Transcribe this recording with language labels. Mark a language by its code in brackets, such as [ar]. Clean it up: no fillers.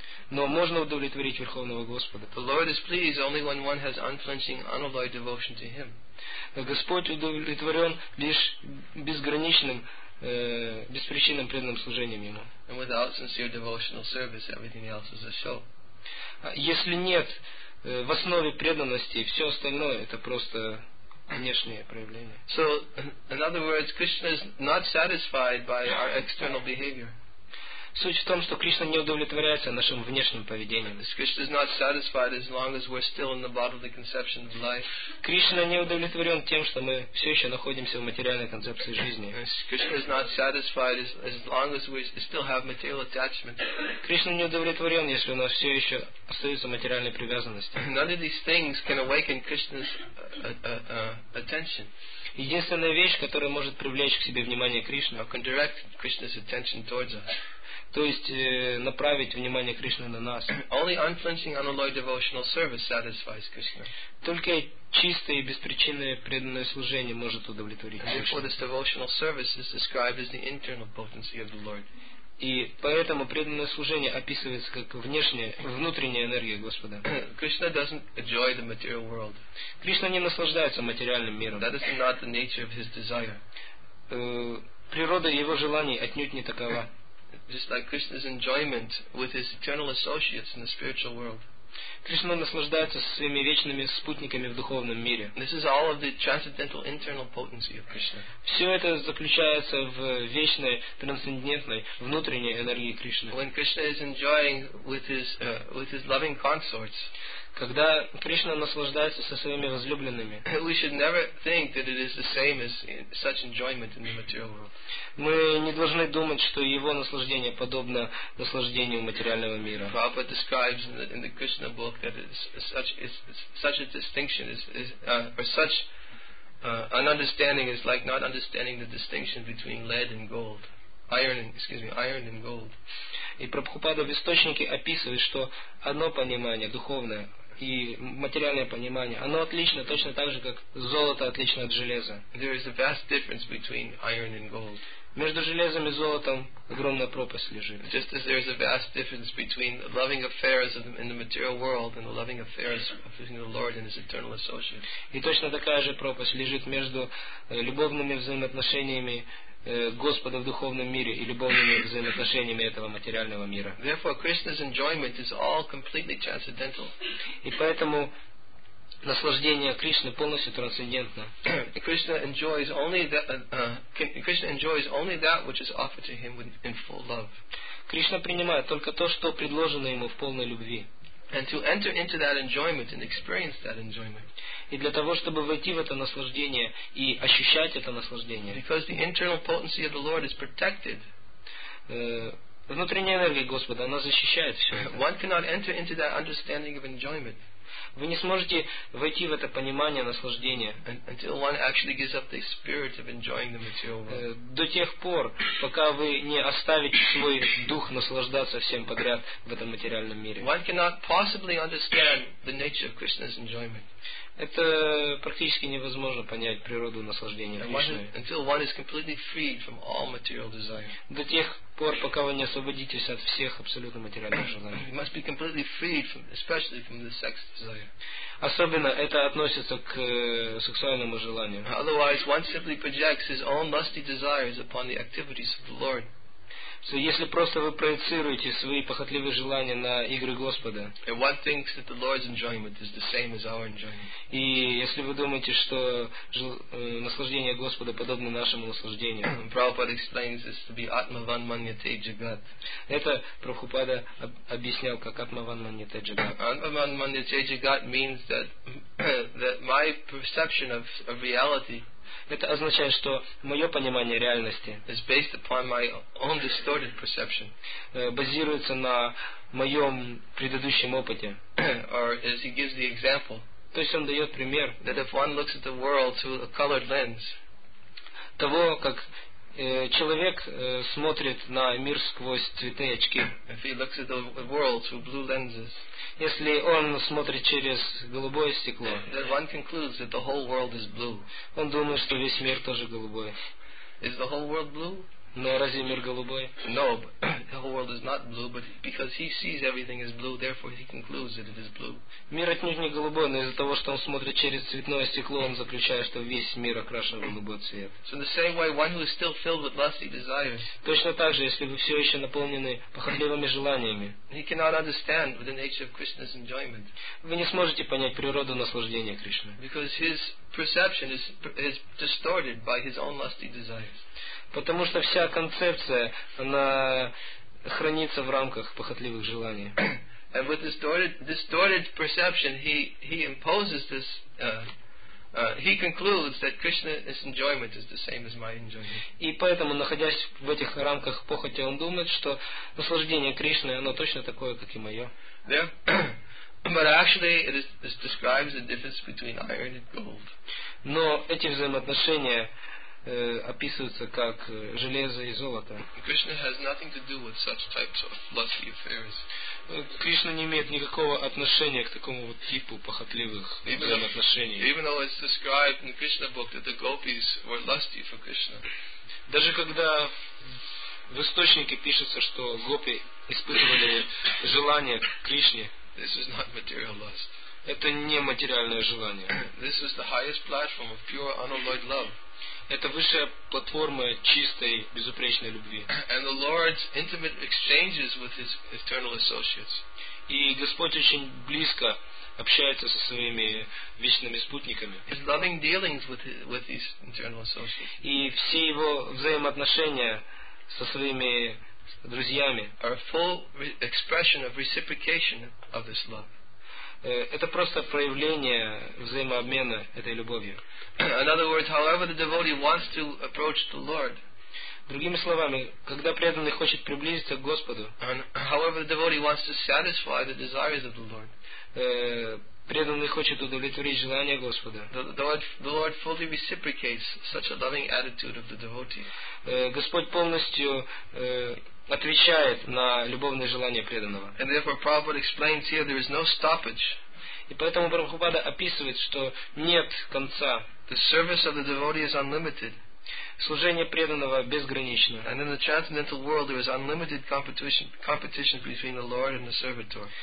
[ru] Но можно удовлетворить Верховного Господа. [en] The Lord is pleased only when one has unflinching, unalloyed devotion to Him. [ru] Господь удовлетворен лишь безграничным, беспричинным преданным служением Ему. [en] And without sincere devotional service, everything else is a show. [ru] Если нет в основе преданности, все остальное это просто внешнее проявление. [en] So, in other words, Krishna is not satisfied by our external behavior. [ru] Суть в том, что Кришна не удовлетворяется нашим внешним поведением. [en] Krishna is not satisfied as long as we're still in the bodily conception of life. [ru] Кришна не удовлетворен тем, что мы все еще находимся в материальной концепции жизни. [en] Krishna is not satisfied as long as we still have material attachment. [ru] Кришна не удовлетворен, если у нас все еще остается материальная привязанность. [en] None of these things can awaken Krishna's attention. [ru] Единственная вещь, которая может привлечь к себе внимание Кришны, [en] or can direct Krishna's attention towards us. [ru] То есть направить внимание Кришны на нас. [en] Only unflinching, unalloyed devotional service satisfies Krishna. [ru] Только чистое и беспричинное преданное служение может удовлетворить Кришну. [en] Therefore, this devotional service is described as the internal potency of the Lord. [ru] И поэтому преданное служение описывается как внешняя, внутренняя энергия Господа. [en] Krishna doesn't enjoy the material world. [ru] Кришна не наслаждается материальным миром. [en] That is not the nature of his desire. [ru] Природа его желаний отнюдь не такова. [en] Just like Krishna's enjoyment with his eternal associates in the spiritual world. [ru] Кришна наслаждается со своими вечными спутниками в духовном мире. [en] This is all of the transcendental internal potency of Krishna. [ru] Все это заключается в вечной трансцендентной внутренней энергии Кришны. [en] When Krishna is enjoying with his loving consorts. [ru] Когда Кришна наслаждается со своими возлюбленными. [en] We should never think that it is the same as such enjoyment in the material world. [ru] Мы не должны думать, что его наслаждение подобно наслаждению материального мира. [en] Prabhupada describes in the Krishna book that an understanding is like not understanding the distinction between lead and gold. Iron and gold. [ru] И Прабхупада в источнике описывает, что одно понимание духовное и материальное понимание, оно отлично, точно так же, как золото отлично от железа. [en] There is a vast difference between iron and gold. [ru] Между железом и золотом огромная пропасть лежит. [en] Just as there is a vast difference between loving affairs in the material world and the loving affairs of the Lord and His eternal associates. [ru] И точно такая же пропасть лежит между любовными взаимоотношениями Господа в духовном мире и любовными взаимоотношениями этого материального мира. [en] Therefore, Krishna's enjoyment is all completely transcendental. [ru] И поэтому наслаждение Кришны полностью трансцендентно. [en] Krishna enjoys only that which is offered to him in full love. [ru] Кришна принимает только то, что предложено ему в полной любви. [en] And to enter into that enjoyment and experience that enjoyment. [ru] И для того, чтобы войти в это наслаждение и ощущать это наслаждение. [en] Because the internal potency of the Lord is protected. [ru] Внутренняя энергия Господа, она защищает все. [en] One cannot enter into that understanding of enjoyment. [ru] Вы не сможете войти в это понимание наслаждения. [en] Until one actually gives up the spirit of enjoying the material world. [ru] До тех пор, пока вы не оставите свой дух наслаждаться всем подряд в этом материальном мире. [en] One cannot possibly understand the нature of Krishna's enjoyment. [ru] Это практически невозможно понять природу наслаждения Кришны. До тех пор, пока вы не освободитесь от всех абсолютно материальных желаний. Особенно это относится к сексуальному желанию. [en] Otherwise, one simply projects his own lusty desires upon the activities of the Lord. [ru] So, если просто вы проецируете свои похотливые желания на игры Господа, и если вы думаете, что наслаждение Господа подобно нашему наслаждению, это Прабхупада объяснял как атман маньяте джагат. [en] Атман маньяте джагат means that that my perception of reality. [ru] Это означает, что мое понимание реальности [en] is based upon my own distorted perception. [ru] Базируется на моем предыдущем опыте. [en] Or as he gives the example, [ru] то есть он дает пример, [en] that if one looks at the world through a colored lens, [ru] того, как человек смотрит на мир сквозь цветные очки, [en] if he looks at the world through blue lenses, [ru] если он смотрит через голубое стекло, [en] then one concludes that the whole world is blue. [ru] Он думает, что весь мир тоже голубой. [en] Is the whole world blue? [ru] Но разве мир голубой? [en] No, the whole world is not blue, but because he sees everything is blue, therefore he concludes that it is blue. [ru] Мир отнюдь не голубой, но из-за того, что он смотрит через цветное стекло, он заключает, что весь мир окрашен в голубой цвет. [en] So in the same way, one who is still filled with lusty desires. [ru] Точно так же, если вы все еще наполнены похотливыми желаниями. [en] He cannot understand the nature of Krishna's enjoyment. [ru] Вы не сможете понять природу наслаждения Кришны. [en] Because his perception is distorted by his own lusty desires. [ru] Потому что вся концепция, она хранится в рамках похотливых желаний. [en] And with distorted perception, he imposes this, he concludes that Krishna's enjoyment is the same as my enjoyment. [ru] И поэтому, находясь в этих рамках похоти, он думает, что наслаждение Кришны, оно точно такое, как и мое. [en] But actually, it describes the difference between iron and gold. [ru] Но эти взаимоотношения описываются как железо и золото. [en] Krishna has nothing to do with such types of lusty affairs. [ru] Кришна не имеет никакого отношения к такому вот типу похотливых взаимоотношений. [en] Even though it's described in the Krishna book that the gopis were lusty for Krishna. [ru] Даже когда в источнике пишется, что гопи испытывали желание к Кришне, [en] this is not material lust. [ru] Это не материальное желание. [en] This is the highest platform of pure unalloyed love. [ru] Это высшая платформа чистой, безупречной любви. [en] And the Lord's intimate exchanges with his eternal associates. [ru] И Господь очень близко общается со своими вечными спутниками. [en] His loving dealings with his eternal associates. [ru] И все его взаимоотношения со своими друзьями [en] are full expression of reciprocation of this love. [ru] Это просто проявление взаимообмена этой любовью. [en] In other words, however the devotee wants to approach the Lord. [ru] Другими словами, когда преданный хочет приблизиться к Господу, [en] and however the devotee wants to satisfy the desires of the Lord. [ru] Преданный хочет удовлетворить желания Господа. [en] The Lord fully reciprocates such a loving attitude of the devotee. [ru] Господь полностью отвечает на любовные желания преданного. [en] And therefore Prabhupada explains here there is no stoppage. [ru] И поэтому Прабхупада описывает, что нет конца. [en] The service of the devotee is unlimited. [ru] Служение преданного безгранично. [en] And in the transcendental world there is unlimited competition between the Lord and the servitor.